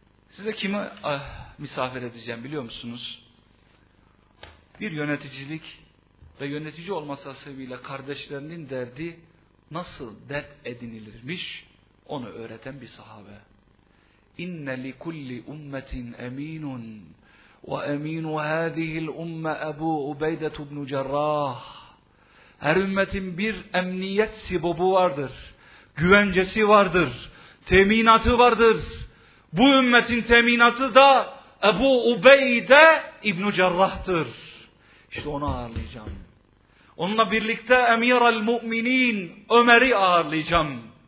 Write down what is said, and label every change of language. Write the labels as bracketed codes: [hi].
[tr] Size kimi misafir edeceğim biliyor musunuz? Bir yöneticilik ve yönetici olması hasebiyle kardeşlerinin derdi nasıl dert edinilirmiş onu öğreten bir sahabe. [ar] İnne li kulli ummetin eminun. وأمين هذه الأمة أبو عبيدة بن جراح. [tr] Her ümmetin bir emniyet sibobu vardır. Güvencesi vardır. Teminatı vardır. Bu ümmetin teminatı da Ebu Ubeyde İbn Cerrah'tır. İşte onu ağırlayacağım. Onunla birlikte Emirul Müminin Ömer'i ağırlayacağım.